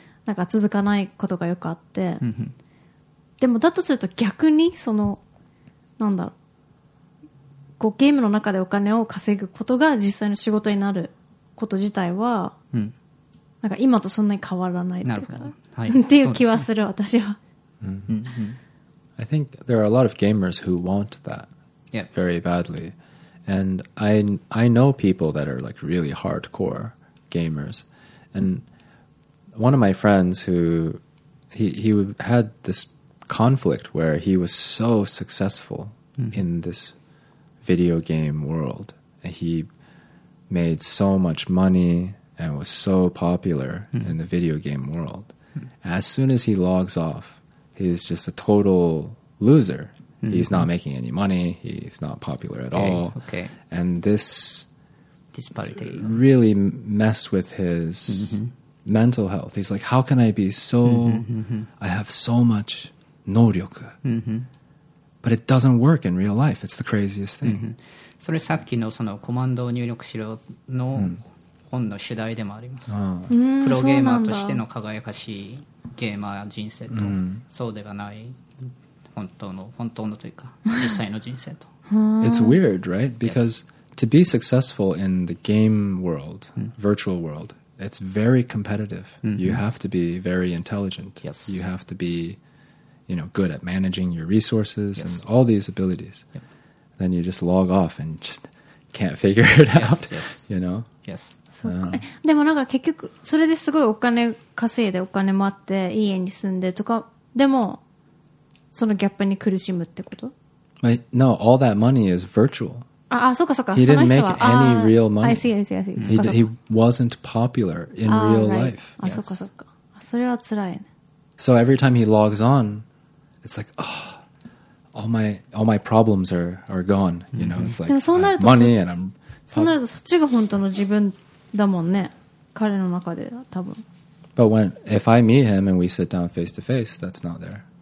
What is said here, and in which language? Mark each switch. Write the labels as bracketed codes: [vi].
[ja] なんか続かないことがよくあって、でもだとすると逆にそのなんだろうこうゲームの中でお金を稼ぐことが実際の仕事になること自体は、うん、なんか今とそんなに変わらないというか、はい、っていう気はする私は。 [en] I think there are a lot of gamers who want that very badly. And I know people that are like really hardcore gamers. And one of my friends who he had this conflict where he was so successful in this video game world. He made so much money and was so popular in the video game world. As soon as he logs off, he's just a total loser. He's not making any money. He's not popular at all. Okay. And this disparity really messed with his mental health. He's like, how can I be so... I have so much 能力. But it doesn't work in real life. It's the craziest thing. [ja] それさっきのそのコマンドを入力しろの本の主題でもあります。プロゲーマーとしての輝かしいゲーマー人生と、そうではない本当のというか実際の人生と。 [en] It's weird, right? Because to be successful in the game world, virtual world, it's very competitive. You have to be very intelligent. You have to be, you know, good at managing your resources and all these abilities. Then you just log off and just can't figure it out, you know? Yes. [ja] そうか。でもなんか結局それですごいお金稼いでお金もあっていい家に住んでとかでもそのギャップに苦しむってこと？ [en] But, no, all that money is virtual. [ja] ああ、そうかそうか。 [en] He didn't make any real money. I see. He wasn't popular in real life. [ja] あ、そうかそうか。それは辛いね。 [en] So every time he logs on, it's like, oh,All my problems are gone. You know, it's like money and I'm. [ja] そうなるとそっちが本当の自分だもんね。彼の中で多分。 [en] But when if I meet him and we sit down face to face, that's not there.